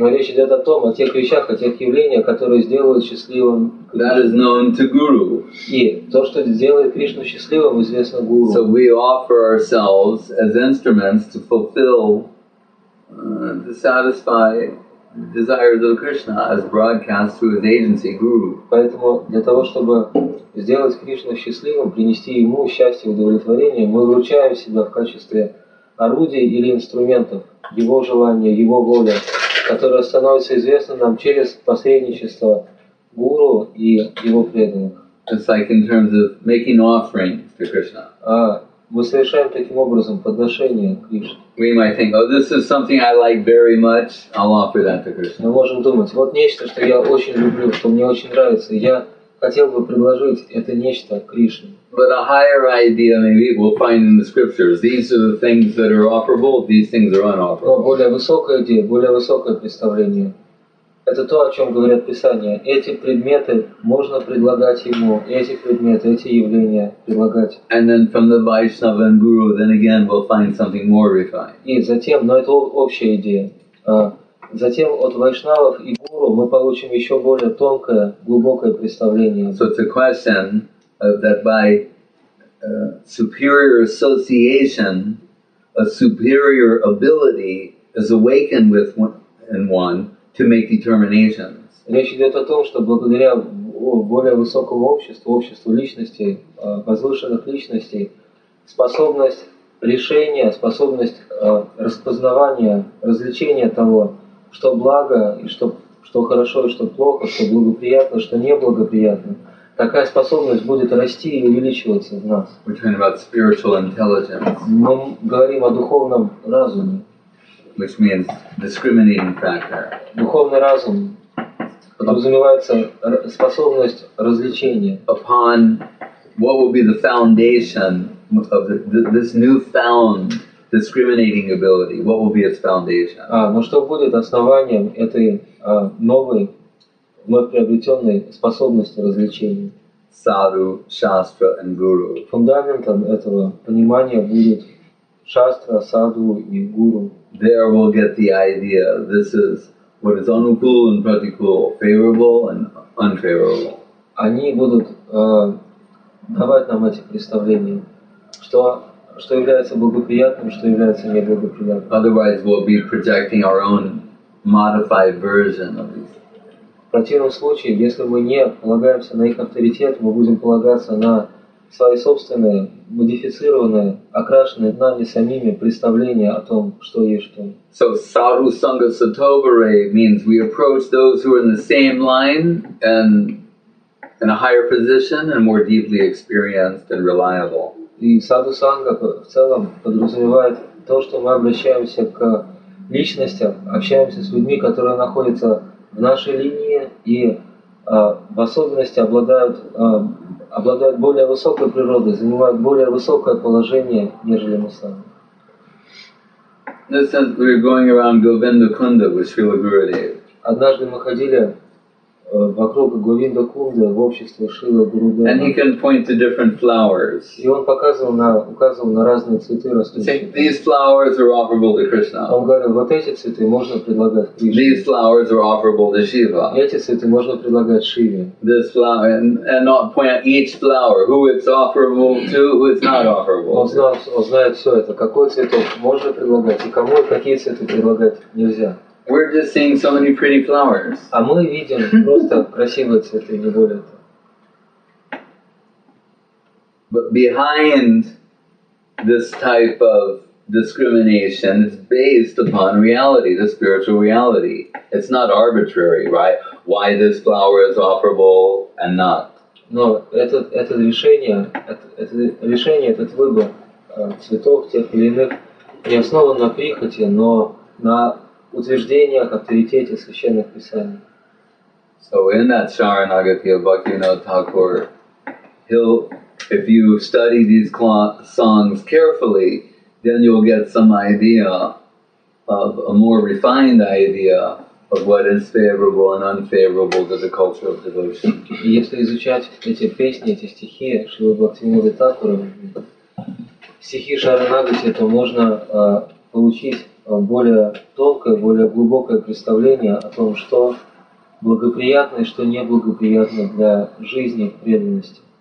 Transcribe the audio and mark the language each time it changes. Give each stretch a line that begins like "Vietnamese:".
Russian: Но речь идет о том, о тех вещах, о тех явлениях, которые сделают счастливым
English: Кришну. That is known to Guru.
Russian: И то, что сделает Кришну счастливым, известно Гуру.
English: So we offer ourselves as instruments to fulfill, to satisfy desires of Krishna as broadcast through his agency Guru.
Russian: Поэтому для того, чтобы сделать Кришну счастливым, принести ему счастье и удовлетворение, мы вручаем себя в качестве орудия или инструментов его желания, его воли, которая становится известна нам через посредничество Гуру и его преданных.
English: just like in terms of making offerings to Krishna.
Russian: Мы совершаем таким образом подношение к Кришне.
English: We might think, oh, this is something I like very much. I'll offer that to Krishna.
Russian: Мы можем думать, вот нечто, что я очень люблю, что мне очень нравится, я хотел бы предложить это нечто Кришне.
English: But a higher idea, maybe we'll find in the scriptures. These are the things that are offerable. These things are unofferable.
Russian: Но более высокая идея, более высокое представление. Это то, о чем говорят Писания. Эти предметы можно предлагать ему, эти предметы, эти явления предлагать.
English: And then from the Vaishnava and Guru, then again we'll find something more refined.
Russian: И затем, но это общая идея. Затем от Вайшнавов и Гуру мы получим еще более тонкое, глубокое представление.
English: So it's a question that by superior association, a superior ability is awakened with one. To make determinations.
Russian: Речь идет о том, что благодаря более высокому обществу, обществу личностей, возвышенных личностей, способность решения, способность распознавания, развлечения того, что благо и что хорошо и что плохо, что благоприятно, что неблагоприятно, такая способность будет расти и увеличиваться в нас.
English: We're talking about spiritual intelligence.
Russian: Мы говорим о духовном разуме.
English: Which means discriminating factor.
Russian: Духовный разум подразумевается способность различения.
English: Upon what will be the foundation of this newfound discriminating ability? What will be its foundation?
Russian: Но что будет основанием этой новой, вновь приобретенной способности различения?
English: Sadhu, Shastra, and Guru.
Russian: Фундаментом этого понимания будет Шастра, Садху и Гуру.
English: There we'll get the idea. This is what is anukul and pratikul, favorable and unfavorable.
Russian: Они будут давать нам эти представления, что является благоприятным, что является неблагоприятным.
English: Otherwise, we'll be projecting our own modified version of these.
Russian: В противном случае, если мы не полагаемся на их авторитет, мы будем полагаться на свои собственные, модифицированные, окрашенные нами самими представления о том, что есть что.
English: So sadhu sangha satobare means we approach those who are in the same line and in a higher position and more deeply experienced and reliable.
Russian: И sadhu sangha в целом подразумевает то, что мы обращаемся к личностям, общаемся с людьми, которые находятся в нашей линии и в особенности обладают более высокой природой, занимают более высокое положение, нежели мы сами.
English: This is, we're going around Govinda Kunda with Srila Gurudev.
Russian: Однажды мы ходили вокруг Говинда Кунды в обществе Шрилы Гурудева.
English: And he can point to different flowers.
Russian: И он указывал на разные цветы растущие.
English: Say, these flowers are offerable to Krishna.
Russian: Он говорил, вот эти цветы можно предлагать Кришне.
English: These flowers are offerable to Shiva.
Russian: И эти цветы можно предлагать Шиве.
English: This flower and not point each flower who it's offerable to, who it's not offerable.
Russian: Он знает все это. Какой цветок можно предлагать и кому и какие цветы предлагать нельзя.
English: We're just seeing so many pretty flowers.
Russian: А мы видим просто красивые цветы, не более того.
English: But behind this type of discrimination is based upon reality, the spiritual reality. It's not arbitrary, right? Why this flower is offerable and not.
Russian: Но это решение, этот выбор цветов тех или иных не основан на прихоти, но на утверждениях, авторитете священных писаний.
English: So in that Sharanagati of Bhaktivinoda Thakur, if you study these songs carefully, then you'll get some idea of a more refined idea of what is favorable and unfavorable to the culture of devotion.
Russian: Если изучать эти песни, эти стихи Шрилы Бхактивинода Такура, стихи Шаранагати, то можно получить более тонкое, более глубокое представление о том, что благоприятно и что неблагоприятно для жизни преданности.